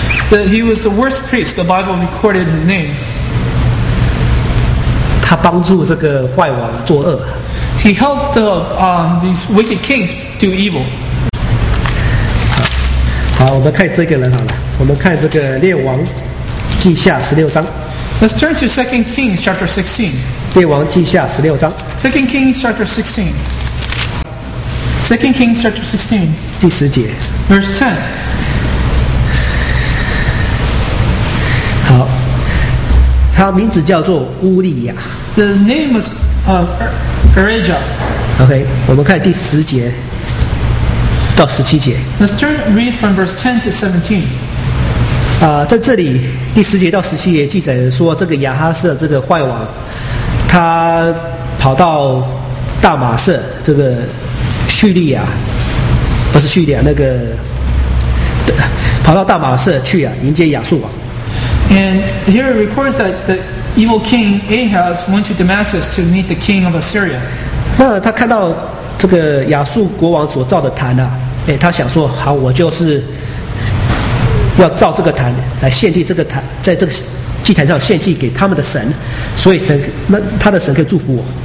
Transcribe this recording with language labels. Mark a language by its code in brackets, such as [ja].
[en] That he was the worst priest. The Bible recorded his name. [zh] 他帮助这个坏王作恶。 [en] He helped these wicked kings do evil. [zh] 好，我们看这个人好了。我们看这个列王记下十六章。 [en] Let's turn to 2 Kings chapter 16. [zh] 列王记下十六章。 [en] 2 Kings chapter 16. 2 Kings chapter 16. [zh] 第十节。 [en] Verse 10. [zh] 好，他名字叫做乌利亚。 [en] His name was Urijah. [zh] OK， 我们看第十节到十七节。 [en] Let's turn read from verse 10 to 17. [zh] 在这里第十节到十七节记载说，这个亚哈斯这个坏王，他跑到大马色这个叙利亚，不是叙利亚，那个跑到大马色去啊，迎接亚述王。 [en] And here it records that the evil king Ahaz went to Damascus to meet the king of Assyria. [zh] 那他看到这个亚述国王所造的坛啊，哎，他想说，好，我就是要造这个坛来献祭这个坛，在这个祭坛上献祭给他们的神，所以神那他的神可以祝福我。